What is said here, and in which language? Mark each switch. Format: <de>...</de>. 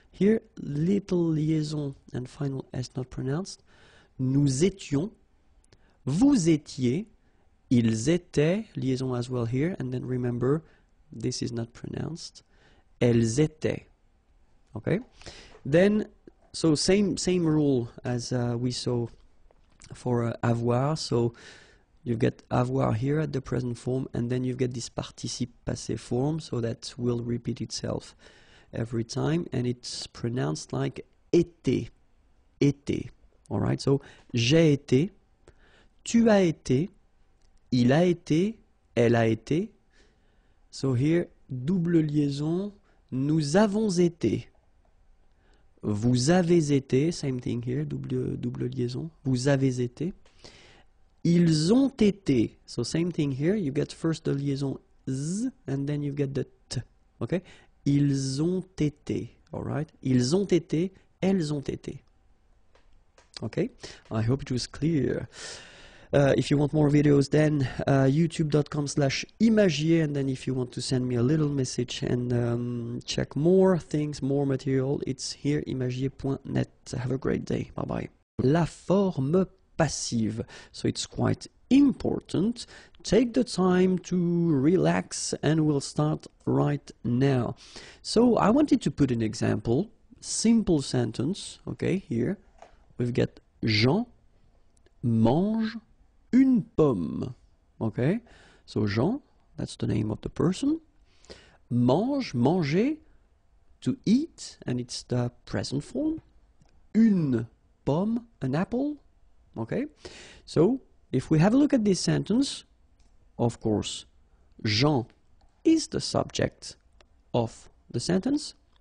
<en>Here, little liaison and final S not pronounced.</en> <fr>Nous étions, vous étiez, ils étaient,</fr> <en>liaison as well here. And then remember, this is not pronounced.</en> <fr>Elles étaient.</fr> <en>Okay, then, so same rule as we saw for avoir. So You've got avoir here at the present form, and then you've got this participe passé form, so that will repeat itself every time, and it's pronounced like été, été. All right, so</en> <fr>j'ai été, tu as été, il a été, elle a été.</fr> <en>So here, double liaison,</en> <fr>nous avons été. Vous avez été,</fr> <en>same thing here, double liaison,</en> <fr>vous avez été. Ils ont été,</fr> <en>so same thing here, you get first the liaison z, and then you get the t, okay?</en> <fr>Ils ont été,</fr> <en>all right?</en> <fr>Ils ont été, elles ont été.</fr> <en>Okay, I hope it was clear. If you want more videos, then youtube.com/imagier, and then if you want to send me a little message and check more things, more material, it's here, imagier.net. Have a great day. Bye-bye.</en> <fr>La forme passive.</fr> <en>So it's quite important. Take the time to relax, and we'll start right now. So I wanted to put an example, simple sentence. Okay, here we've got</en> <fr>Jean mange une pomme.</fr> <en>Okay, so Jean, that's the name of the person. Mange, manger, to eat, and it's the present form. Une pomme, an apple. Okay, so if we have a look at this sentence, of course, Jean is the subject of the sentence.</en>